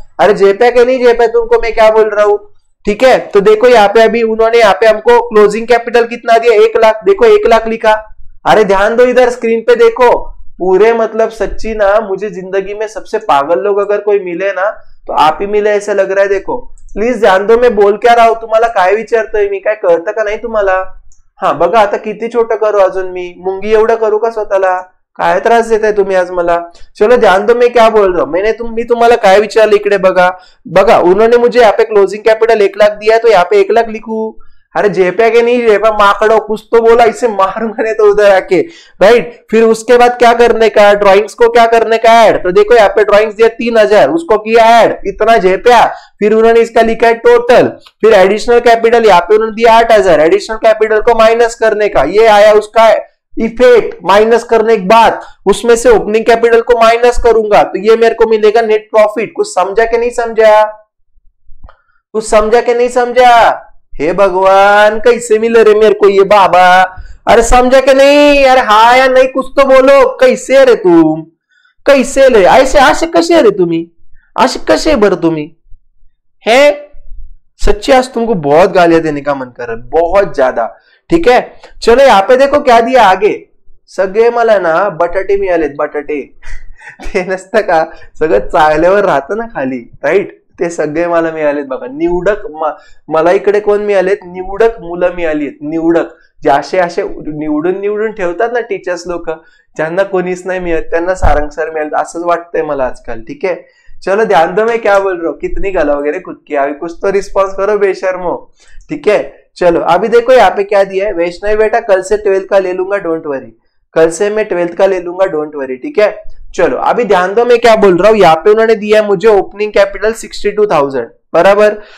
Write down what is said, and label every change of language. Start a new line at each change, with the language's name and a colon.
Hindi: अरे जेपी के नहीं, जेपी तुमको मैं क्या बोल रहा हूँ, ठीक है। तो देखो यहाँ पे अभी उन्होंने यहाँ पे हमको क्लोजिंग कैपिटल कितना दिया, 1 लाख, देखो 1 लाख लिखा। अरे ध्यान दो इधर स्क्रीन पे देखो पूरे, मतलब सच्ची ना मुझे जिंदगी में सबसे पागल लोग अगर कोई मिले ना तो आप ही मिले ऐसे लग रहा है। देखो प्लीज ध्यान दो मैं बोल क्या रहा हूँ, तुम्हारा
Marathi: काय विचारतोय मी, काय कळतं का नाही तुम्हाला? हाँ बघा आता किती छोटं करू अजून मी, मुंगी एवढं करू का स्वतःला, काय त्रास देत आहे तुम्ही आज मला?
Hindi: चलो ध्यान दो मैं क्या बोल रहा हूँ,
Marathi: मी तुम्हाला काय विचारलं इकडे बघा।
Hindi: बघा उन्होंने मुझे यहाँ पे क्लोजिंग कैपिटल 1 लाख दिया है, तो यहाँ पे 1 लाख लिखू? अरे जेपे के नहीं, जेपे माकड़ो कुछ तो बोला, इसे मारूंगा ने तो उधर आके, राइट। फिर उसके बाद क्या करने का, ड्रॉइंग्स को क्या करने का ऐड, तो देखो यहाँ पे ड्रॉइंग्स दिया 3000, उसको किया ऐड, इतना जेपे। फिर उन्होंने इसका लिखा है टोटल, फिर एडिशनल कैपिटल यहाँ पे उन्होंने दिया 8000, एडिशनल कैपिटल को माइनस करने का, ये आया उसका इफेक्ट माइनस करने के बाद, उसमें से ओपनिंग कैपिटल को माइनस करूंगा तो ये मेरे को मिलेगा नेट प्रॉफिट। कुछ समझा के नहीं समझा, कुछ समझा के नहीं समझा, हे भगवान कैसे मिल रहे मेरे को ये बाबा, अरे समझा के नहीं, अरे हाँ या नहीं कुछ तो बोलो, कैसे रे तुम, कैसे ले ऐसे आशे कशे रे तुम्ही, आशे कशे भर तुम्ही है सच्ची, आज तुमको बहुत गालियां देने का मन कर रहा है बहुत ज्यादा, ठीक है।
Marathi: चलो यहाँ पे देखो क्या दिया आगे, सगे मला ना बटाटे मिळाले, बटाटे ते नसत का सगळं चांगल्यावर राहतं ना खाली, राईट, ते सगळे मला मिळालेत बघा, निवडक मला इकडे कोण मिळालेत, निवडक मुलं मिळाली आहेत, निवडक जे असे असे निवडून निवडून ठेवतात ना टीचर्स लोक, ज्यांना कोणीच नाही मिळत त्यांना सारंगसार मिळालेत असंच वाटतंय मला आजकाल,
Hindi: ठीक है। चलो ध्यान दो मैं क्या बोल रहा हूँ, कितनी गला वगैरह खुद की, अभी कुछ तो रिस्पॉन्स करो बेशर्मो, ठीक है। चलो अभी देखो यहाँ पे क्या दिया है, वैष्णव बेटा कल से 12th का ले लूंगा, डोंट वरी, कल से मैं 12th का ले लूंगा, डोंट वरी, ठीक है। चलो अभी ध्यान दो मैं क्या बोल रहा हूँ, यहाँ पे उन्होंने दिया है मुझे ओपनिंग कैपिटल 62,000, बराबर।